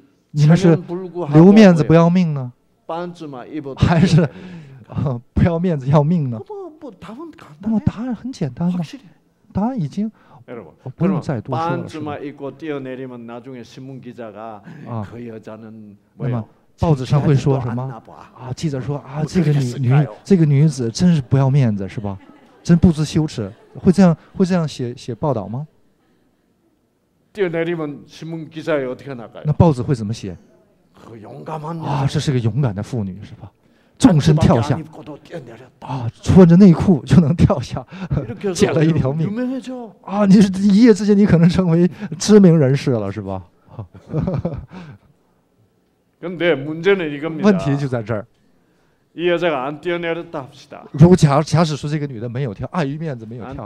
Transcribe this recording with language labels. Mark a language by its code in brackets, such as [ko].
[zh] 你们是留面子不要命呢，还是不要面子要命呢？那么答案很简单，答案已经。 [ko] 여러분, 반쯤만 입고 뛰어내리면 나중에 신문 기자가 그 여자는 뭐요? [zh] 报纸上会说什么？啊，记者说啊，这个女子真是不要面子，是吧？真不知羞耻，会这样写报道吗？ [ko] 뛰어내리면 신문 기자에 어떻게 나가요? [zh] 那 报纸会怎么写？ [ko] 그 용감한 [zh] 아, 这是个勇敢的妇女，是吧？纵身跳下，啊，穿着内裤就能跳下，捡了一条命。啊，你是一夜之间，你可能成为知名人士了，是吧？问题就在这儿。 [ko] 이 여자가 안 뛰어내렸다 합시다. [zh] 如果假使说这个女的没有跳，碍于面子没有跳下来。안